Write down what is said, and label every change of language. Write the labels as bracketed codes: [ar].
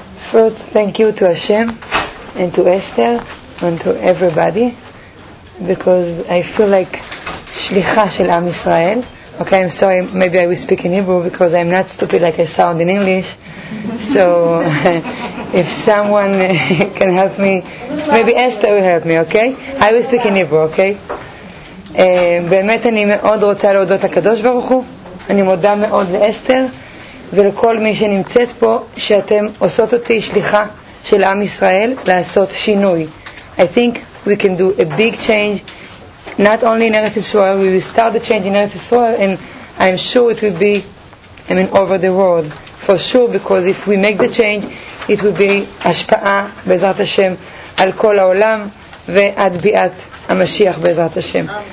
[en] First, thank you to Hashem and to Esther and to everybody, because I feel like shlicha shel Am Yisrael. Okay, I'm sorry, maybe I will speak in Hebrew because I'm not stupid like I sound in English. So if someone can help me, maybe Esther will help me, okay? I will speak in Hebrew, okay? [he] באמת אני מאוד רוצה להודות לקדוש ברוך הוא. אני מודה מאוד לאסתר ולכל מי שנמצאת פה, שאתם עושות אותי שליחה של עם ישראל לעשות שינוי. [en] I think we can do a big change, not only in Eretz Yisrael, we will start the change in Eretz Yisrael, and I'm sure it will be, I mean, over the world for sure, because if we make the change, it will be [he] השפעה בעזרת השם על כל העולם ועד ביאת המשיח בעזרת השם.